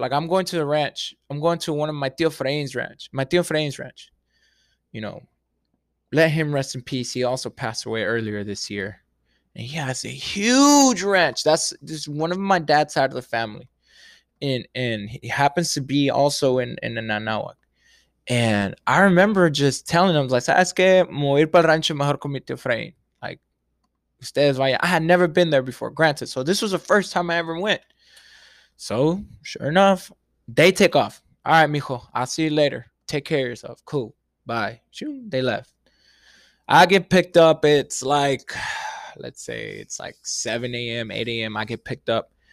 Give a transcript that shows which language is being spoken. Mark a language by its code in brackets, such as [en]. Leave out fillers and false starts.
[en] Like, I'm going to the ranch. I'm going to one of my tío Frain's ranch. You know, let him rest in peace. He also passed away earlier this year. And he has a huge ranch. That's just one of my dad's side of the family. And he happens to be also in the Anahuac. And I remember just telling him, like, [es] sabes que, voy a ir para el rancho mejor con mi tío Frain. [en] Like, [es] ustedes vaya. [en] I had never been there before, granted. So this was the first time I ever went. So, sure enough, they take off. All right, mijo, I'll see you later. Take care of yourself. Cool. Bye. Shoo, they left. I get picked up. It's like, let's say it's like 7 a.m., 8 a.m. I get picked up.